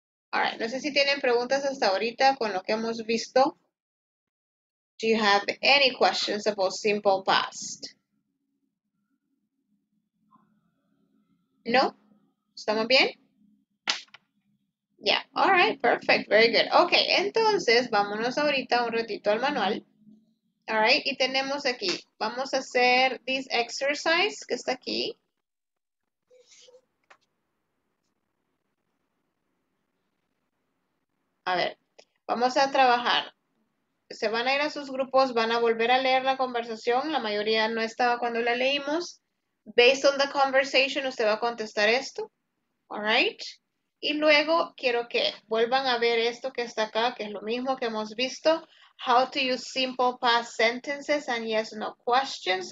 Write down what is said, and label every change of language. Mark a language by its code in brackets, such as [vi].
[en] All right, [es] no sé si tienen preguntas hasta ahorita con lo que hemos visto. [en] Do you have any questions about simple past? No? [es] ¿Estamos bien? [en] Yeah, all right, perfect, very good. [es] Okay, entonces, vámonos ahorita un ratito al manual. All right, y tenemos aquí, vamos a hacer [en] this exercise [es] que está aquí. A ver, vamos a trabajar. Se van a ir a sus grupos, van a volver a leer la conversación. La mayoría no estaba cuando la leímos. [en] Based on the conversation, [es] usted va a contestar esto. All right. Y luego quiero que vuelvan a ver esto que está acá, que es lo mismo que hemos visto. [en] How to use simple past sentences and yes, no questions.